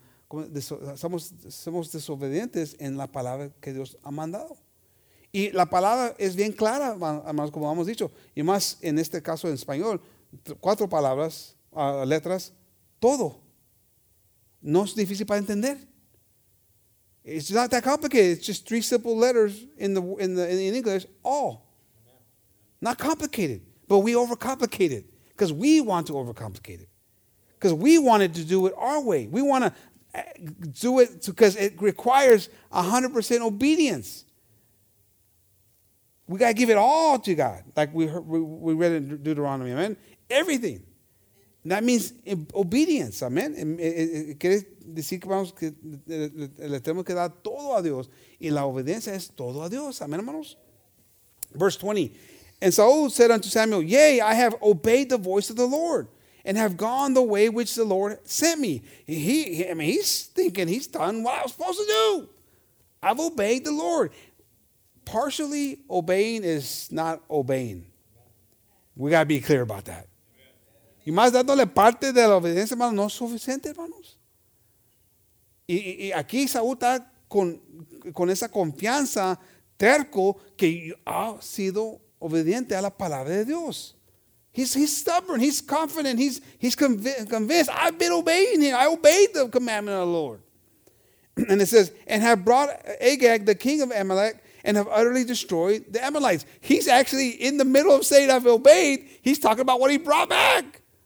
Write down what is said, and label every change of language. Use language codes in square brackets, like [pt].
[es] Somos desobedientes en la palabra que Dios ha mandado. Y la palabra es bien clara, hermanos, como hemos dicho. Y más en este caso en español, cuatro palabras, letras, todo. No es difícil para entender. [en] It's not that complicated. It's just three simple letters in English, all. Not complicated. But we overcomplicate it because we want to overcomplicate it. Because we wanted to do it our way. We want to do it because it requires 100% obedience. We got to give it all to God, like we read in Deuteronomy, amen? Everything. And that means obedience, amen? [es] Quiere decir que vamos que le tenemos que dar todo a Dios. Y la obediencia es todo a Dios, amen, hermanos? [en] Verse 20. And Saul said unto Samuel, yea, I have obeyed the voice of the Lord and have gone the way which the Lord sent me. He's thinking he's done what I was supposed to do. I've obeyed the Lord. Partially obeying is not obeying. We got to be clear about that. [es] Y más dándole parte de la obediencia, hermanos, no es suficiente, hermanos. Y aquí Saúl está con esa confianza terco que ha sido obediente a la palabra de Dios. [en] He's stubborn. He's confident. He's convinced. I've been obeying him. I obeyed the commandment of the Lord. And it says, and have brought Agag, the king of Amalek, and have utterly destroyed the Amalekites. He's actually in the middle of saying, I've obeyed. He's talking about what he brought back.